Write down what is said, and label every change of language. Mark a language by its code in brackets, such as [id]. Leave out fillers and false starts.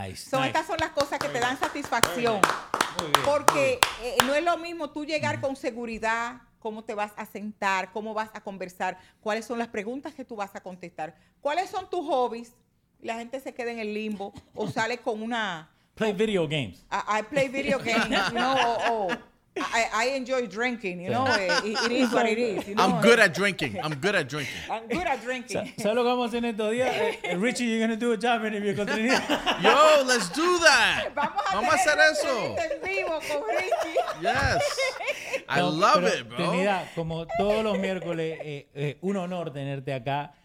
[es] Estas son las cosas que te dan satisfacción. Porque no es lo mismo tú llegar con seguridad, cómo te vas a sentar, cómo vas a conversar, cuáles son las preguntas que tú vas a contestar, cuáles son tus hobbies. La gente se queda en el limbo o sale con una... [en] Play video games. I play video games, you know, I enjoy drinking, you know, it is what it is. I'm good at drinking. [es] ¿Sabes lo que vamos a hacer en estos días? [en] Richie, you're going to do a job interview con Trinidad. Yo, let's do that. [es] Vamos a hacer eso. Vivo con Richie. [en] Yes. I love it, bro. [es] Trinidad, como todos los miércoles, un honor tenerte acá.